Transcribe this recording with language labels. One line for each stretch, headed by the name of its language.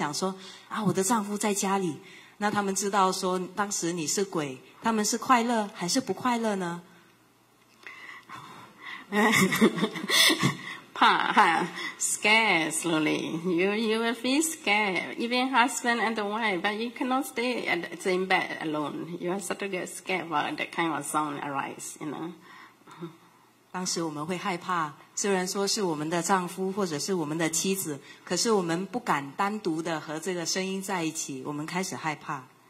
Chinese: 那我们到那个时候，我们就可以尝试看看，试探一下他们是不是真正的爱我们。那我们之前在那个时候只是一个星期而已。那在半夜的时候，我们可以就发出一点声音，或者是大声的走动。那当他们听到过后，心里会有什么样的感受呢？会想说啊，我的丈夫在家里。那他们知道说当时你是鬼，他们是快乐还是不快乐呢？怕
English: ，scared slowly. You will feel scared, even husband and the wife. But you cannot stay at the same bed alone. You are starting to get scared about that kind of sound arise. You know.
Chinese: 当时我们会害怕，虽然说是我们的丈夫或者是我们的妻子，可是我们不敢单独的和这个声音在一起，我们开始害怕。